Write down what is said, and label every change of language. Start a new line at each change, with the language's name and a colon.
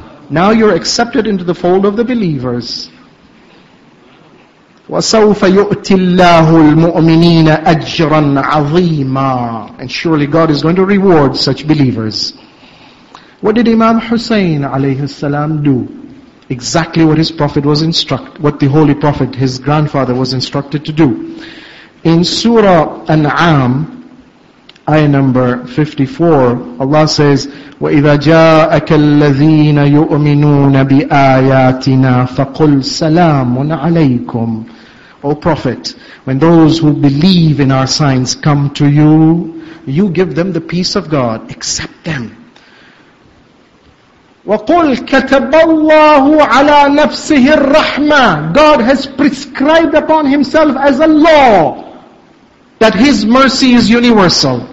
English: Now you're accepted into the fold of the believers.
Arabic: وَسَوْفَ يُؤْتِ اللَّهُ الْمُؤْمِنِينَ أَجْرًا عَظِيمًا,
English: and surely God is going to reward such believers. What did Imam Hussein alayhi salam do? Exactly what his prophet was instructed, what the Holy Prophet, his grandfather, was instructed to do. In Surah An'am, Ayah number 54, Allah says,
Arabic: وَإِذَا جَاءَكَ الَّذِينَ يُؤْمِنُونَ بِآيَاتِنَا فَقُلْ سَلَامٌ عَلَيْكُمْ.
English: O Prophet, when those who believe in our signs come to you, you give them the peace of God. Accept them.
Arabic: وَقُلْ كَتَبَ اللَّهُ عَلَىٰ نَفْسِهِ الرَّحْمَةِ.
English: God has prescribed upon himself as a law that his mercy is universal.